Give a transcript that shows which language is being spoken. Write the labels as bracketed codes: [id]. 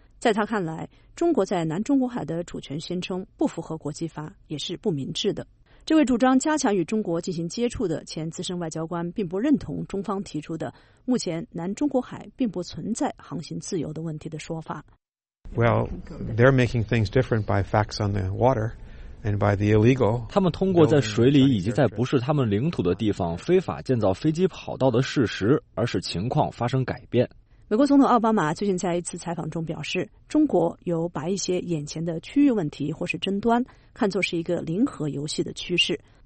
[zh] 在他看来，中国在南中国海的主权宣称不符合国际法，也是不明智的。这位主张加强与中国进行接触的前资深外交官并不认同中方提出的目前南中国海并不存在航行自由的问题的说法。 [en] Well, they're making things different by facts on the water and by the illegal. [zh] 他们通过在水里以及在不是他们领土的地方非法建造飞机跑道的事实，而使情况发生改变。美国总统奥巴马最近在一次采访中表示，中国有把一些眼前的区域问题或是争端看作是一个零和游戏的趋势。